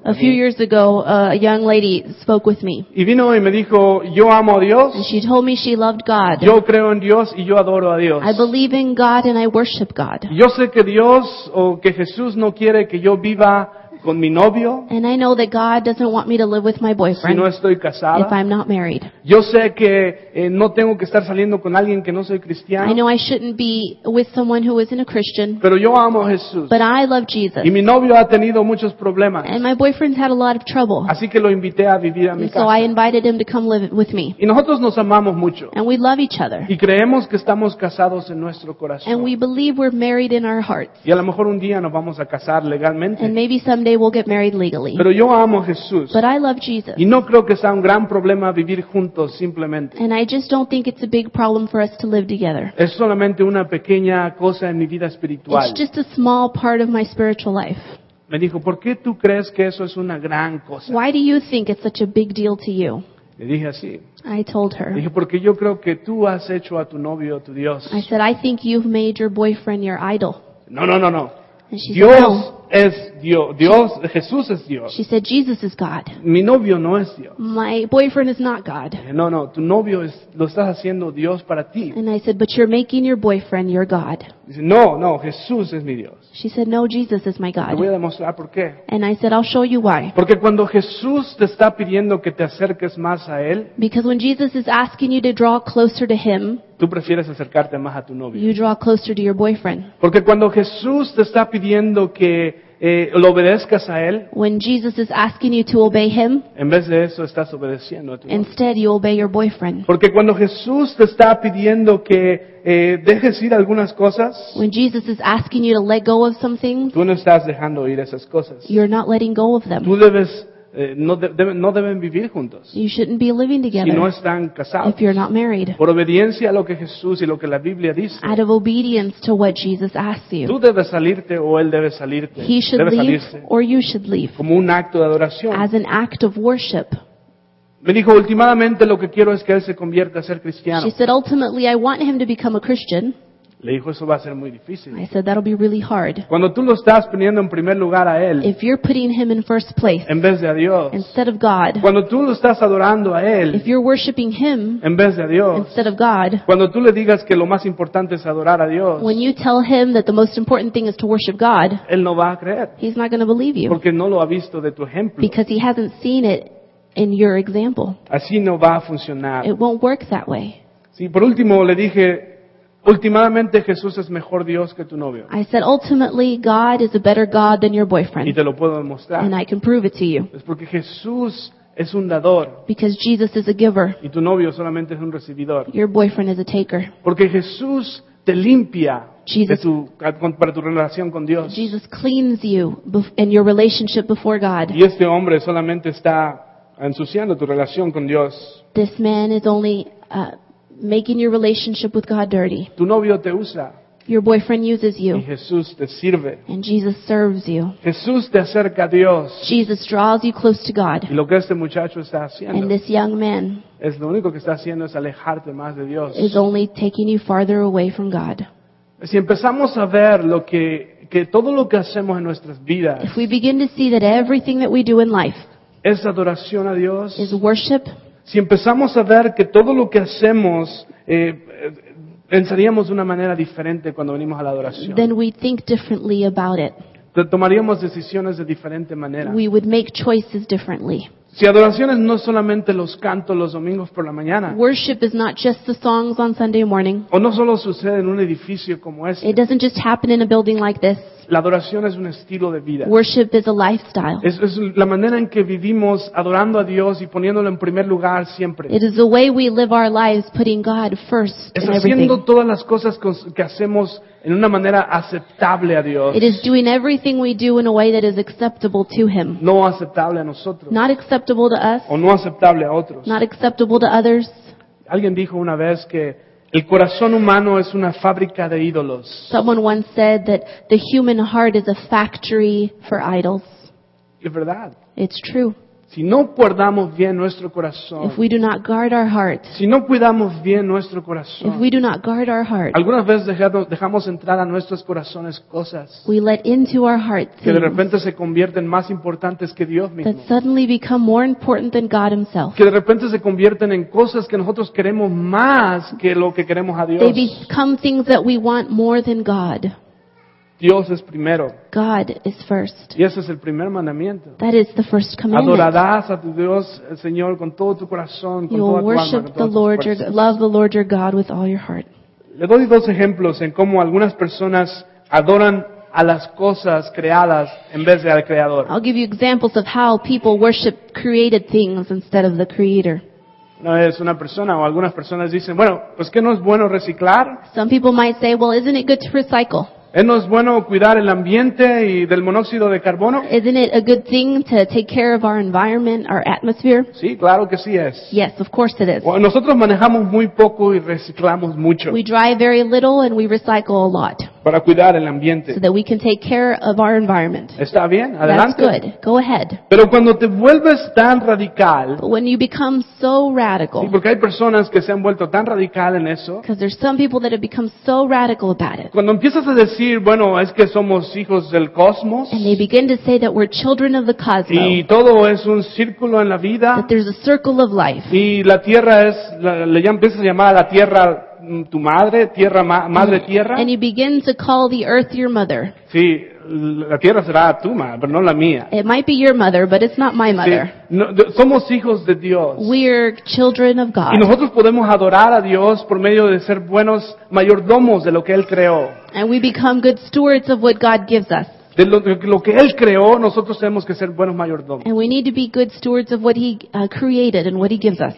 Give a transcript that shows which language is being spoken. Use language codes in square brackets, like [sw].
[en] A few years ago, a young lady spoke with me. [es] Y vino y me dijo, yo amo a Dios. [en] And she told me she loved God. [es] Yo creo en Dios y yo adoro a Dios. [en] I believe in God and I worship God. [es] Yo sé que Dios o que Jesús no quiere que yo viva con mi novio. [en] And I know that God doesn't want me to live with my boyfriend. [es] Si no estoy casada. [en] If I'm not married. [es] Yo sé que no tengo que estar saliendo con alguien que no soy cristiano. [en] I know I shouldn't be with someone who isn't a Christian. [es] Pero yo amo a Jesús. [en] But I love Jesus. [es] Y mi novio ha tenido muchos problemas. [en] And my boyfriend's had a lot of trouble. [es] Así que lo invité a vivir a mi casa. [en] So I invited him to come live with me. [es] Y nosotros nos amamos mucho. [en] And we love each other. [es] Y creemos que estamos casados en nuestro corazón. [en] And we believe we're married in our hearts. [es] Y a lo mejor un día nos vamos a casar legalmente. [en] And maybe someday we'll get married legally. [es] Pero yo amo a Jesús. [en] But I love Jesus. [es] Y no creo que sea un gran problema vivir juntos simplemente. [en] And I just don't think it's a big problem for us to live together. [es] Es solamente una pequeña cosa en mi vida espiritual. [en] It's just a small part of my spiritual life. [es] Me dijo, ¿por qué tú crees que eso es una gran cosa? [en] Why do you think it's such a big deal to you? [es] Le dije así. [en] I told her. [es] Dije, porque yo creo que tú has hecho a tu novio tu Dios. [en] I said, I think you've made your boyfriend your idol. [es] No. Jesús es Dios. [en] She said, Jesus is God. [es] Mi novio no es Dios. [en] My boyfriend is not God. [es] No, tu novio es, lo estás haciendo Dios para ti. [en] And I said, but you're making your boyfriend your God. [es] Dice, no, Jesús es mi Dios. [en] She said, no, Jesus is my God. [es] Te voy a demostrar por qué. [en] And I said, I'll show you why. [es] Porque cuando Jesús te está pidiendo que te acerques más a Él, [en] because when Jesus is asking you to draw closer to Him, [es] tú prefieres acercarte más a tu novio. [en] You draw closer to your boyfriend. [es] Porque cuando Jesús te está pidiendo que lo obedezcas a Él, [en] when Jesus is asking you to obey Him, [es] en vez de eso estás obedeciendo a tu novio. [en] Instead, you obey your boyfriend. [es] Porque cuando Jesús te está pidiendo que dejes ir algunas cosas, [en] when Jesus is asking you to let go of some things, [es] tú no estás dejando ir esas cosas. [en] You're not letting go of them. [es] Tú debes no deben vivir juntos. [en] You shouldn't be living together. [es] Si no están casados. [en] If you're not married. [es] Por obediencia a lo que Jesús y lo que la Biblia dice. [en] Out of obedience to what Jesus asks you. [es] Tú debes salirte o Él debe salirte. [en] He should leave or you should leave. [es] Como un acto de adoración. [en] As an act of worship. [es] Me dijo, últimamente lo que quiero es que Él se convierta a ser cristiano. [en] She said, ultimately I want Him to become a Christian. [es] Le dijo, eso va a ser muy difícil. [en] I said, that'll be really hard. [es] Cuando tú lo estás poniendo en primer lugar a Él, [en] if you're putting Him in first place, [es] en vez de a Dios, [en] instead of God, [es] cuando tú lo estás adorando a Él, [en] if you're worshiping Him, [es] en vez de a Dios, [en] instead of God, [es] cuando tú le digas que lo más importante es adorar a Dios, [en] when you tell Him that the most important thing is to worship God, [es] Él no va a creer. [en] He's not going to believe you. [es] Porque no lo ha visto de tu ejemplo. [en] Because He hasn't seen it in your example. [es] Así no va a funcionar. [en] It won't work that way. [es] Sí, por último le dije, últimamente Jesús es mejor Dios que tu novio. [en] I said, ultimately, God is a better God than your boyfriend. [es] Y te lo puedo demostrar. [en] And I can prove it to you. [es] Es porque Jesús es un dador. [en] Because Jesus is a giver. [es] Y tu novio solamente es un recibidor. [en] Your boyfriend is a taker. [es] Porque Jesús te limpia para tu relación con Dios. [en] Jesus cleans you and your relationship before God. [es] Y este hombre solamente está ensuciando tu relación con Dios. [en] This man is only making your relationship with God dirty. [es] Tu novio te usa. [en] Your boyfriend uses you. [es] Y Jesús te sirve. [en] And Jesus serves you. [es] Jesús te acerca a Dios. [en] Jesus draws you close to God. [es] Y lo que este muchacho está haciendo, [en] and this young man, [es] es lo único que está haciendo es alejarte más de Dios. [en] Is only taking you farther away from God. [es] Si empezamos a ver lo que todo lo que hacemos en nuestras vidas, [en] if we begin to see that everything that we do in life [es] es adoración a Dios, [en] is worship. [es] Si empezamos a ver que todo lo que hacemos, pensaríamos de una manera diferente cuando venimos a la adoración. [en] Then we think differently about it. [es] Tomaríamos decisiones de diferente manera. [en] We would make choices differently. [es] Si adoración es no solamente los cantos los domingos por la mañana, [en] worship is not just the songs on Sunday morning, [es] o no solo sucede en un edificio como este, [en] it doesn't just happen in a building like this. [es] La adoración es un estilo de vida. [en] Worship is a lifestyle. [es] Es la manera en que vivimos adorando a Dios y poniéndolo en primer lugar siempre. [en] It is the way we live our lives, putting God first in everything. [es] Es haciendo todas las cosas que hacemos en una manera aceptable a Dios. [en] It is doing everything we do in a way that is acceptable to Him. [es] No aceptable a nosotros. [en] Not acceptable to us. [es] O no aceptable a otros. [en] Not acceptable to others. [es] Alguien dijo una vez que el corazón humano es una fábrica de ídolos. [en] Someone once said that the human heart is a factory for idols. [es] Es verdad. [en] It's true. [es] Si no guardamos bien nuestro corazón, [en] if we do not guard our heart, [es] si no cuidamos bien nuestro corazón, [en] if we do not guard our heart, [es] algunas veces dejamos entrar a nuestros corazones cosas, [en] we let into our hearts [es] que de repente se convierten más importantes que Dios mismo, [en] that suddenly become more important than God Himself, [es] que de repente se convierten en cosas que nosotros queremos más que lo que queremos a Dios, [en] they become things that we want more than God. [es] Dios es primero. [en] God is first. [es] Y ese es el primer mandamiento. [en] That is the first commandment. [es] Adorarás a tu Dios, el Señor, con todo tu corazón, con toda tu alma. [en] You worship the Lord your love the Lord your God with all your heart. [es] Le doy dos ejemplos en cómo algunas personas adoran a las cosas creadas en vez de al creador. [en] I'll give you examples of how people worship created things instead of the creator. [es] No es una persona o algunas personas dicen, bueno, pues que no es bueno reciclar. [en] Some people might say, well, isn't it good to recycle? [es] ¿No es bueno cuidar el ambiente y del monóxido de carbono? [en] Isn't it a good thing to take care of our environment, our atmosphere? [es] Sí, claro que sí es. [en] Yes, of course it is. [es] Nosotros manejamos muy poco y reciclamos mucho. [en] We drive very little and we recycle a lot. [es] Para cuidar el ambiente. [en] So that we can take care of our environment. [es] Está bien, adelante. [en] That's good. Go ahead. [es] Pero cuando te vuelves tan radical. [en] But when you become so radical. [es] Sí, porque hay personas que se han vuelto tan radical en eso. [en] Because there's some people that have become so radical about it. [es] Cuando empiezas a decir, bueno, es que somos hijos del cosmos. [en] And they begin to say that we're children of the cosmos. [es] Y todo es un círculo en la vida. [en] That there's a circle of life. [es] Y la tierra es, empiezas a llamar a la tierra tu madre, tierra, madre tierra. [en] And you begin to call the earth your mother. [es] Sí, la tierra será tu madre, pero no la mía. [en] It might be your mother, but it's not my mother. [es] Sí, no, somos hijos de Dios. [en] We're children of God. [es] Y nosotros podemos adorar a Dios por medio de ser buenos mayordomos de lo que Él creó. [en] And we become good stewards of what God gives us. [es] De lo que Él creó, nosotros tenemos que ser buenos mayordomos. [en] And we need to be good stewards of what He created and what He gives us.